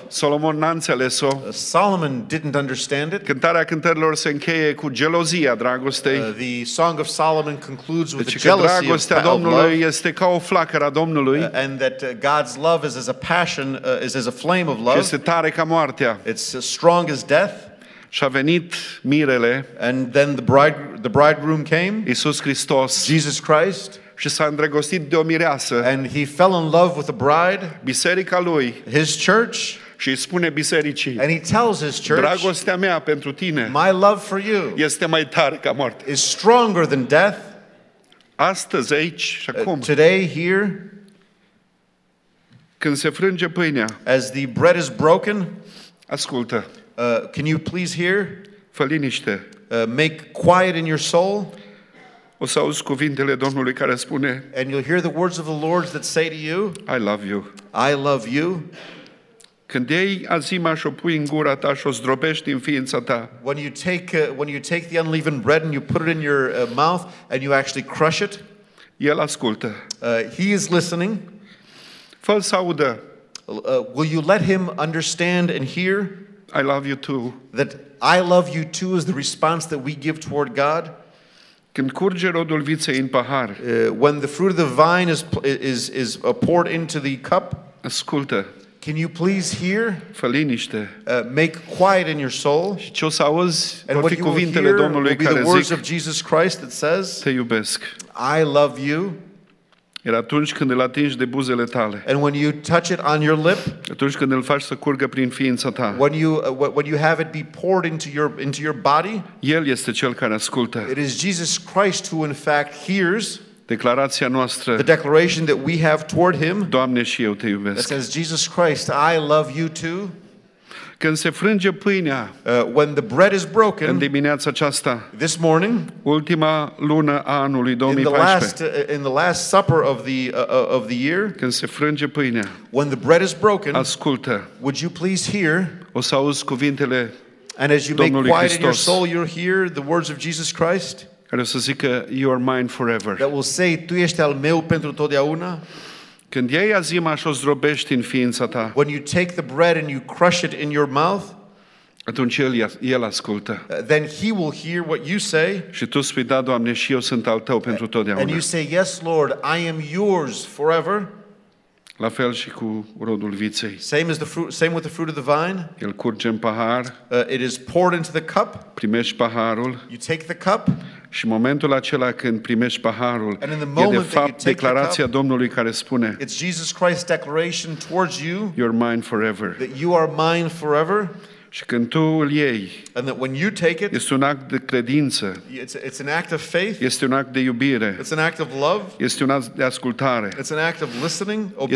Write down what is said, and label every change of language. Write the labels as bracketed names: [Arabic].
[Romanian] Solomon n-a înțeles-o. [English] Solomon didn't understand it. [Romanian] Cântarea cântărilor se încheie cu gelozia dragostei. [English] The Song of Solomon concludes with [Romanian] deci [English] the jealousy of love. [Romanian] Dragostea Domnului este ca o flacără a Domnului. [English] And that God's love is as a passion, is as a flame of love. [Romanian] Și este tare ca moartea. [English] It's as strong as death. [Romanian] Și a venit mirele. [English] And then the bridegroom came. [Romanian] Iisus Hristos. [English] Jesus Christ. [Romanian] Și s-a îndrăgostit de o mireasă. [English] And he fell in love with a bride. [Romanian] Biserica lui. [English] His church. [Romanian] Și îi spune bisericii. [English] And he tells his church. [Romanian] Dragostea mea pentru tine. [English] My love for you. [Romanian] Este mai tare ca moartea. [English] Is stronger than death. [Romanian] Astăzi aici și acum. [English] Today here. [Romanian] Când se frânge pâinea. [English] As the bread is broken. [Romanian] Ascultă. [English] Can you please hear? [Romanian] Fă liniște. [English] Make quiet in your soul. [Romanian] O să auzi cuvintele Domnului care spune. [English] And you'll hear the words of the Lord that say to you. I love you. I love you. [Romanian] Când iei azima și o pui în gura ta și o zdrobești din ființa ta. [English] When you take the unleavened bread and you put it in your mouth and you actually crush it. [Romanian] El ascultă. [English] He is listening. [Romanian] Fă-l să audă. [English] Will you let him understand and hear? I love you too. That I love you too is the response that we give toward God. [Romanian] Când curge rodul viței în pahar. [English] When the fruit of the vine is poured into the cup. [Romanian] Ascultă. [English] Can you please hear? [Romanian] Fă liniște. [English] Make quiet in your soul. [Romanian] Și ce o să auzi, [English] and what you will hear will be the words of Jesus Christ that says. [Romanian] Te iubesc. [English] I love you. [Romanian] Iar atunci când îl atingi de buzele tale. [English] And when you touch it on your lip. [Romanian] Atunci când îl faci să curgă prin ființa ta. [English] When you have it be poured into your body. [Romanian] El este cel care ascultă. [English] It is Jesus Christ who in fact hears. [Romanian] Declarația noastră. [English] The declaration that we have toward him. [Romanian] Doamne, și eu te iubesc. [English] It says, Jesus Christ, I love you too. [Romanian] Când se frânge pâinea. [English] When the bread is broken. [Romanian] În dimineața aceasta. [English] This morning. [Romanian] Ultima lună a anului 2014. [English] In the last supper of the year. [Romanian] Când se frânge pâinea. [English] When the bread is broken. [Romanian] Ascultă. [English] Would you please hear? [Romanian] O să auzi cuvintele. [English] And as you make quiet in your soul, you'll hear the words of Jesus Christ. [Romanian] Care o să zică, [English] you are mine forever. That will say, [Romanian] tu ești al meu pentru totdeauna. Când iei azima și o zdrobești în ființa ta. [English] When you take the bread and you crush it in your mouth. [Romanian] Atunci el ascultă. [English] Then he will hear what you say. [Romanian] Și tu spui, da, Doamne, și eu sunt al tău pentru totdeauna. [English] And you say, yes, Lord, I am yours forever. [Romanian] La fel și cu rodul viței. [English] Same as the fruit, same with the fruit of the vine. [Romanian] El curge în pahar. [English] It is poured into the cup. [Romanian] Primești paharul. [English] You take the cup. [Romanian] Și momentul acela când primești paharul, e de fapt declarația Domnului care spune, [English] it's Jesus Christ's declaration towards you, you're mine forever. That you are mine forever. [Romanian] Și când tu îl iei, [English] and that when you take it, [Romanian] este un act de credință. [English] It's an act of faith. [Romanian] Este un act de iubire. [English] It's an act of love. [Romanian] Este un act de ascultare. [English] It's an act of listening, obedience.